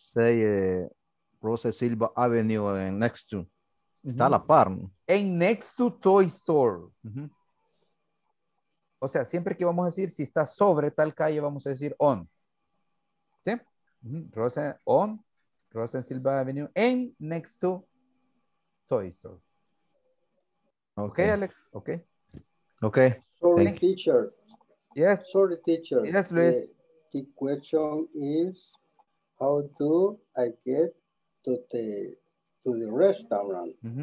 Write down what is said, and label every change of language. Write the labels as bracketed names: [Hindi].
[English] I can say Rosa Silva Avenue and next to. [Spanish] Está a la par. [English] En next to Toy Store. [Spanish] O sea, siempre que vamos a decir si está sobre tal calle, vamos a decir on. ¿Sí? [English] Rosa, on Rosa Silva Avenue and next to Toy Store. Okay, Alex. Okay. Okay. Sorry, teacher. Yes. Sorry, teacher. Yes, Luis. The question is, how do I get to the restaurant?